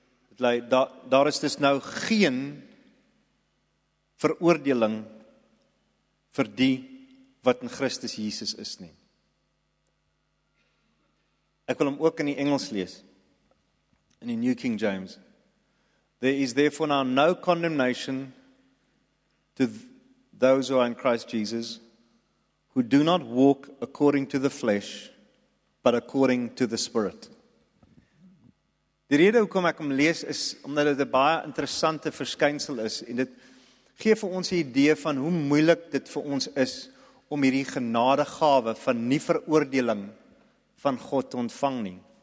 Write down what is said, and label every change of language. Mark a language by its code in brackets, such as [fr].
[af] Dit lei daar is dus nou geen veroordeling vir die wat in Christus Jesus is nie. Ek wil hom ook in die Engels lees. In die New King James. [en] There is therefore now no condemnation to those who are in Christ Jesus, who do not walk according to the flesh, but according to the Spirit. [af] Die rede hoekom ek hom lees is, omdat dit 'n baie interessante verskynsel is, en dit gee vir ons 'n idee van hoe moeilik dit vir ons is, om hierdie genadegawe van nie veroordeling van God te ontvang nie.